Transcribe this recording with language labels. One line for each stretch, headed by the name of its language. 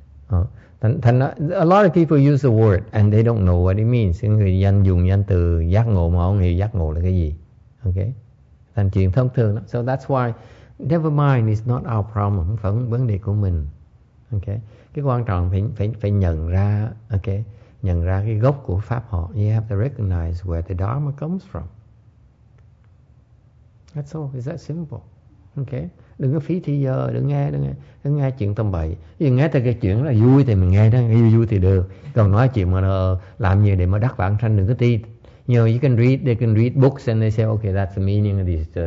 English: A lot of people use the word and they don't know what it means.
Vietnamese: Người dân dùng danh từ giác ngộ mà ông hiểu giác ngộ là cái gì? Okay, thành chuyện thông thường.
English: So that's why never mind is not our problem,
Vietnamese: không phải vấn đề của mình. Okay, cái quan trọng phải nhận ra, okay, nhận ra cái gốc của pháp họ.
English: You have to recognize where the Dharma comes from. That's all. Is that simple?
Vietnamese: Okay, đừng có phí thời giờ, đừng nghe chuyện tầm bậy. Vì nghe từ cái chuyện là vui thì mình nghe đó, nghe vui thì được. Còn nói chuyện mà làm gì để mà đắc vãng sanh đừng có tin.
English: You know, they can read books and they say, okay, that's the meaning of this.